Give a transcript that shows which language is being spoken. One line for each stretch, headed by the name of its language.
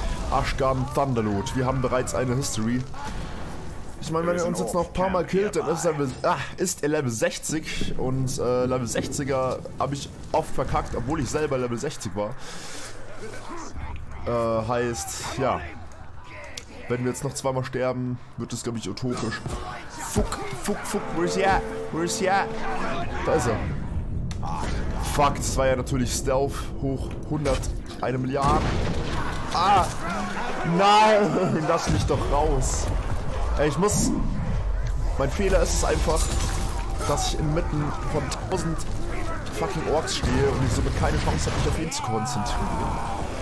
German: Ashgarn Thunderlord. Wir haben bereits eine History. Ich meine, wenn er uns jetzt noch ein paar Mal killt, dann ist er Level 60 und Level 60er habe ich oft verkackt, obwohl ich selber Level 60 war. Heißt, ja, wenn wir jetzt noch zweimal sterben, wird das, glaube ich, utopisch.
English: Fuck, fuck, fuck, where is he at?
German: Da ist er. Fuck, das war ja natürlich Stealth hoch 100, eine Milliarde. Ah, nein, lass mich doch raus. Ey, ich muss... Mein Fehler ist es einfach, dass ich inmitten von 1000 fucking Orks stehe und ich somit keine Chance habe, mich auf ihn zu konzentrieren.